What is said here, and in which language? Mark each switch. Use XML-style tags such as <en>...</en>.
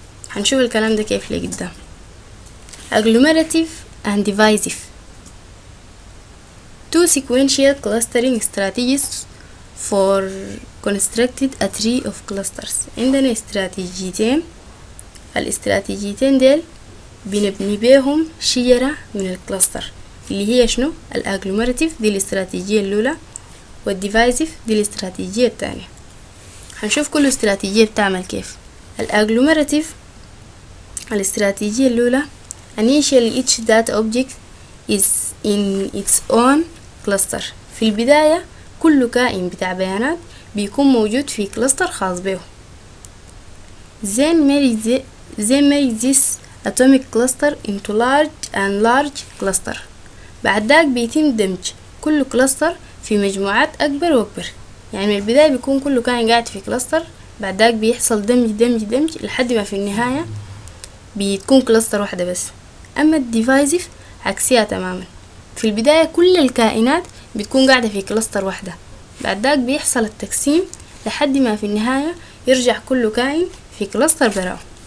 <ar>هنشوف الكلام ده كيف ليه قدام.</ar> <en>agglomerative and divisive. two sequential clustering strategies for constructed a tree of clusters.</en> <ar>عندنا استراتيجيتين، الاستراتيجيتين ديل بنبني بيهم شجرة من الكلاستر، اللي هي شنو؟ الاجلوميراتيف دي الاستراتيجية الاولى، والديفايزيف دي الاستراتيجية الثانية. هنشوف كل استراتيجية بتعمل كيف. الاجلوميراتيف الاستراتيجية الاولى،</ar> <en>initially each data object is in its own cluster.</en> <ar>في البداية كل كائن بتاع بيانات بيكون موجود في كلاستر خاص به.</ar> <en>then make this atomic cluster into large and large cluster.</en> <ar>بعد ذلك بيتم دمج كل كلاستر في مجموعات أكبر وأكبر. يعني من البداية بيكون كله كائن قاعد في كلاستر، بعد ذلك بيحصل دمج دمج دمج لحد ما في النهاية بيكون كلاستر واحدة بس. أما الديفايزيف عكسيها تماما، في البداية كل الكائنات بتكون قاعدة في كلاستر واحدة، بعد ذلك بيحصل التقسيم لحد ما في النهاية يرجع كل كائن في كلاستر براه.</ar>